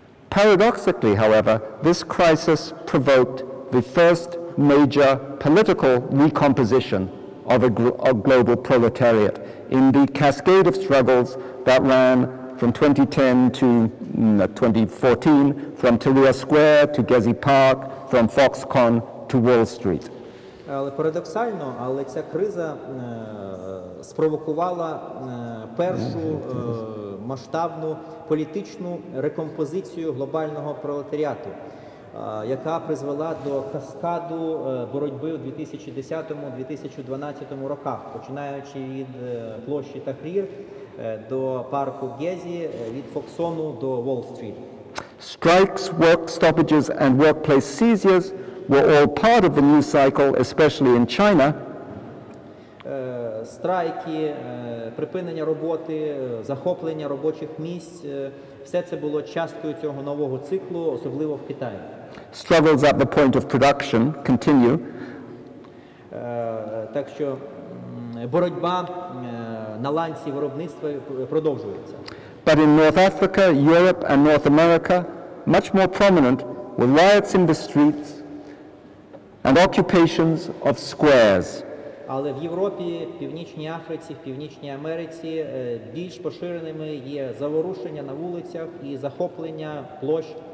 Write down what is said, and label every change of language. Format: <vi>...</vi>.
<en>Paradoxically, however, this crisis provoked the first major political recomposition of a global proletariat in the cascade of struggles that ran from 2010 to 2014, from Tahrir Square to Gezi Park, from Foxconn to Wall Street.</en> <uk>Але парадоксально, але ця криза спровокувала першу масштабну політичну рекомпозицію глобального пролетаріату, яка призвела до каскаду боротьби у 2010-2012 роках, починаючи від площі Тахрір до парку Гезі, від Фоксону до Уолл-стріт.</uk> <en>Strikes, work stoppages and workplace seizures were all part of the new cycle, especially in China.</en> <uk>Страйки, припинення роботи, захоплення робочих місць, все це було часткою цього нового циклу, особливо в Китаї.</uk> <en>Struggles at the point of production continue.</en> <uk>Так що боротьба на ланці виробництва продовжується.</uk> <en>But in North Africa, Europe and North America, much more prominent were riots in the streets and occupations of squares.</en> <uk>Але в Європі, Північній Африці, в Північній Америці більш поширеними є заворушення на вулицях і захоплення площ.</uk>